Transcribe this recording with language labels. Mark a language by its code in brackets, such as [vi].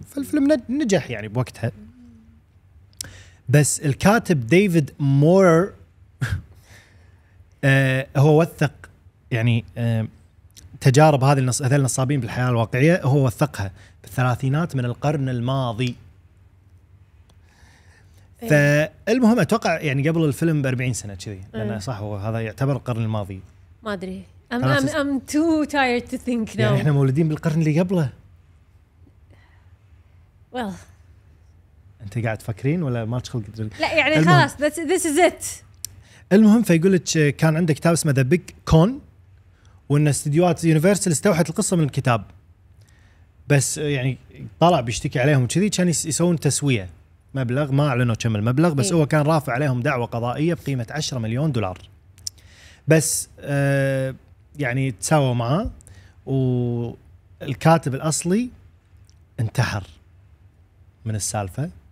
[ar] فالفيلم نجح يعني بوقتها. بس الكاتب ديفيد مور هو وثق يعني تجارب هذه النصابين بالحياة الواقعية، هو وثقها بالثلاثينات من القرن الماضي. فالمهم أتوقع يعني قبل الفيلم بأربعين سنة كذي، لأن صح هو هذا يعتبر القرن الماضي. ما أدري، [en] I'm too tired to think now. [ar] يعني إحنا مولدين بالقرن اللي قبله. [en] Well. [ar] أنت قاعد تفكرين ولا ما تخلق؟ لا يعني خلاص [en] this is it. [ar] المهم فيقولك كان عندك كتاب اسمه The Big Con، وإن استديوهات يونيفرسال استوحت القصة من الكتاب، بس يعني طلع بيشتكي عليهم كذي، كان يسوون تسوية مبلغ ما أعلنوا كم المبلغ، بس هو كان رافع عليهم دعوة قضائية بقيمة 10 مليون دولار، بس يعني تساوى معه، والكاتب الأصلي انتحر من السالفة.